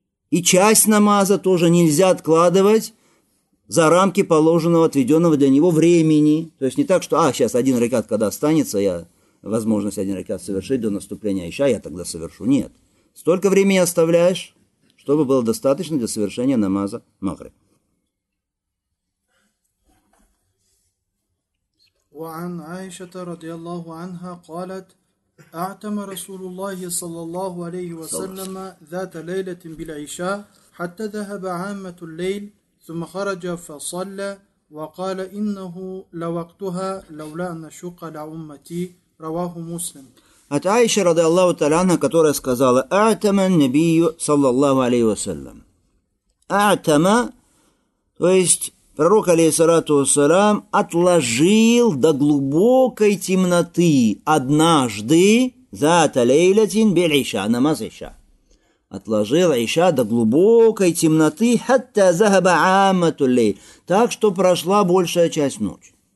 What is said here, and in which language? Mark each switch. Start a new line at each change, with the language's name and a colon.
Russian: И часть намаза тоже нельзя откладывать за рамки положенного, отведенного для него времени. То есть не так, что сейчас один ракат, когда останется, я возможность один ракат совершить до наступления Иша, я тогда совершу. Нет. Столько времени оставляешь, чтобы было достаточно для совершения намаза Магриб.
Arabic: وعن عائشة رضي الله عنها قالت أعتم رسول الله صلى الله عليه وسلم ذات ليلة بالعشاء حتى ذهب عامة الليل ثم خرج فصلى وقال إنه لوقتها لولا أن شق لأمتي رواه مسلم.
Russian: От Аиши
Arabic: رضي الله تعالى عنها,
Russian: которая сказала
Arabic: أعتم النبي صلى الله عليه وسلم.
Russian: أعتم, то есть Пророк, алейхиссалату вассалям, отложил до глубокой темноты однажды за талейлятин бель иша, намаз иша. Отложил иша до глубокой темноты,
Arabic: хатта захаба амату лейл,
Russian: так что прошла большая часть ночи.